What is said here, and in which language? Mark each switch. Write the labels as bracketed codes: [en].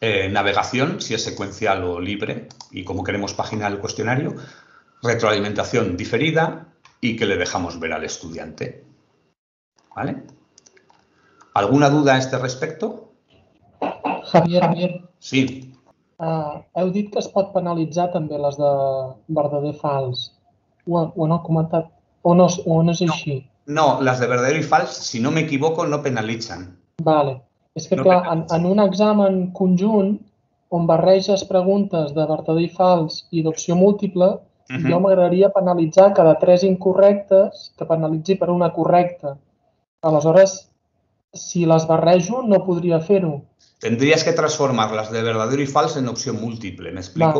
[es] Navegación, si es secuencial o libre y cómo queremos paginar el cuestionario. Retroalimentación diferida y qué le dejamos ver al estudiante. ¿Vale? ¿Alguna duda a este respecto? Javier. Sí. [ca] Heu dit que es pot penalitzar també les de verdader i fals. Ho han comentat. O no és així? No, les de verdader i fals, si no m'equivoco, no penalitzen. Vale. És que, clar, en un examen conjunt, on barreges preguntes de verdader i fals i d'opció múltiple, jo m'agradaria penalitzar cada tres incorrectes que penalitzi per una correcta. Aleshores, si les barrejo, no podria fer-ho. [es] Tendrías que transformar las de verdadero y falso en opción múltiple, ¿me explico?